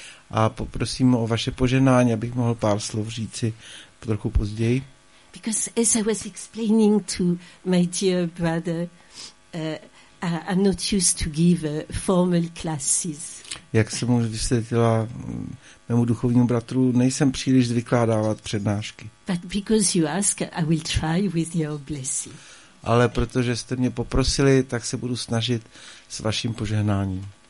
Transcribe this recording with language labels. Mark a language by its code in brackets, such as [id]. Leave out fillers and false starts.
[cs] A poprosím o vaše požehnání, abych mohl pár slov říci trochu později. [en] Because as I was explaining to my dear brother, I'm not used to give formal classes. [cs] Jak jsem mu vysvětlila mému duchovnímu bratru, nejsem příliš zvyklá dávat přednášky. [en] But because you ask, I will try with your blessing. [cs] Ale protože jste mě poprosili, tak se budu snažit s vaším požehnáním.